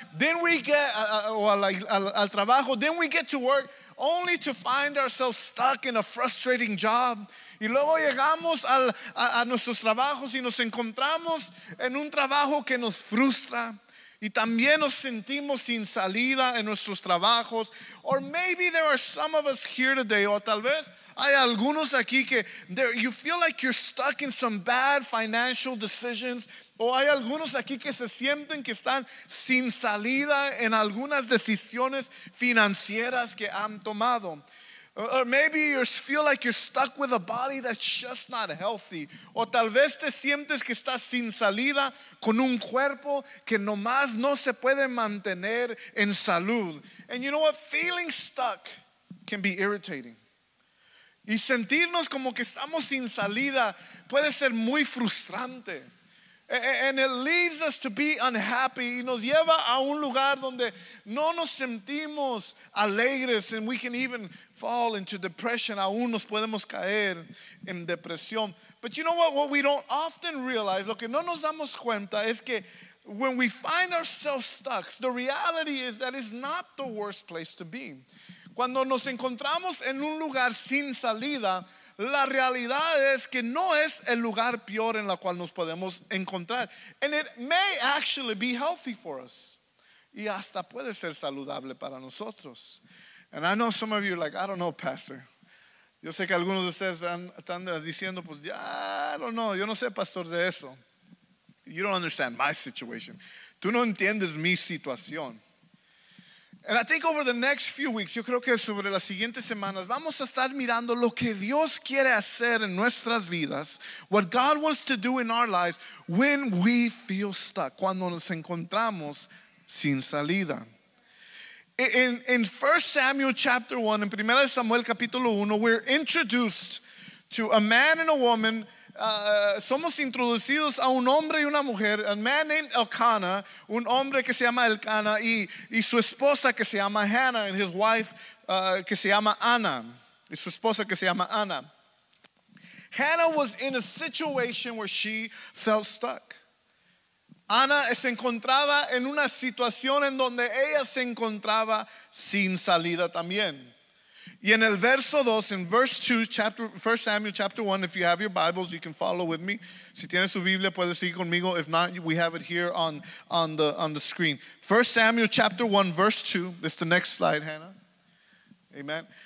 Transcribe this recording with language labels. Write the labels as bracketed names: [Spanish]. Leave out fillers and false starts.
[English] Then we get [Spanish] al trabajo. [English] Then we get to work, only to find ourselves stuck in a frustrating job. [Spanish] Y luego llegamos a nuestros trabajos y nos encontramos en un trabajo que nos frustra. Y también nos sentimos sin salida en nuestros trabajos. [English] Or maybe there are some of us here today. [Spanish] O tal vez hay algunos aquí que [English] you feel like you're stuck in some bad financial decisions. [Spanish] O hay algunos aquí que se sienten que están sin salida en algunas decisiones financieras que han tomado. [English] Or maybe you feel like you're stuck with a body that's just not healthy. [Spanish] O tal vez te sientes que estás sin salida con un cuerpo que nomás no se puede mantener en salud. [English] And you know what? Feeling stuck can be irritating. [Spanish] Y sentirnos como que estamos sin salida puede ser muy frustrante. [English] And it leads us to be unhappy. [Spanish] Y nos lleva a un lugar donde no nos sentimos alegres. [English] And we can even fall into depression. [Spanish] Aún nos podemos caer en depresión. [English] But you know what? What we don't often realize, [Spanish] lo que no nos damos cuenta, es que [English] when we find ourselves stuck, the reality is that it's not the worst place to be. [Spanish] Cuando nos encontramos en un lugar sin salida, la realidad es que no es el lugar peor en la cual nos podemos encontrar. [English] And it may actually be healthy for us. [Spanish] Y hasta puede ser saludable para nosotros. [English] And I know some of you are like, I don't know, Pastor. [Spanish] Yo sé que algunos de ustedes están diciendo, pues, ya, [English] I don't know. [Spanish] Yo no sé, Pastor, de eso. [English] You don't understand my situation. [Spanish] Tú no entiendes mi situación. [English] And I think over the next few weeks, [Spanish] yo creo que sobre las siguientes semanas, vamos a estar mirando lo que Dios quiere hacer en nuestras vidas, [English] what God wants to do in our lives when we feel stuck, [Spanish] cuando nos encontramos sin salida. [English] In 1 Samuel chapter 1, [Spanish] en 1 Samuel capítulo 1, [English] we're introduced to a man and a woman. [Spanish] Somos introducidos a un hombre y una mujer, [English] a man named Elkanah, [Spanish] un hombre que se llama Elkanah y su esposa que se llama Hannah, [English] and his wife [Spanish] que se llama Anna, y su esposa que se llama Anna. [English] Hannah was in a situation where she felt stuck. [Spanish] Anna se encontraba en una situación en donde ella se encontraba sin salida también. Y en el verso 2, [English] in verse 2, chapter 1 Samuel chapter 1, if you have your Bibles, you can follow with me. [Spanish] Si tienes su Biblia, puedes seguir conmigo. [English] If not, we have it here on the screen. 1 Samuel chapter 1, verse 2. It's the next slide, Hannah. Amen.